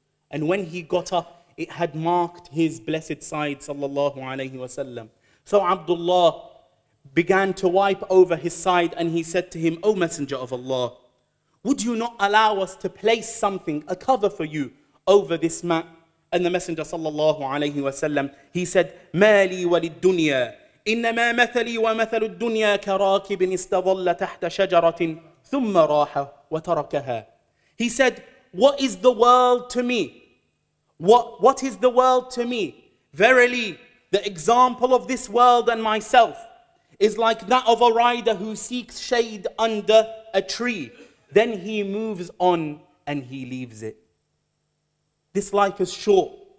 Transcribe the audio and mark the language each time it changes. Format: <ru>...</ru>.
<en>And when he got up, it had marked his blessed side sallallahu alayhi wa sallam. So Abdullah began to wipe over his side and he said to him, O Messenger of Allah, would you not allow us to place something, a cover for you, over this mat? And the Messenger sallallahu alayhi wa sallam, he said,</en> <ar>Mali walid dunya. إنما مثلي ومثل الدنيا كراكب استظل تحت شجرة ثم راح وتركها.</ar> <en>He said, what is the world to me? What is the world to me? Verily, the example of this world and myself is like that of a rider who seeks shade under a tree. Then he moves on and he leaves it. This life is short.</en>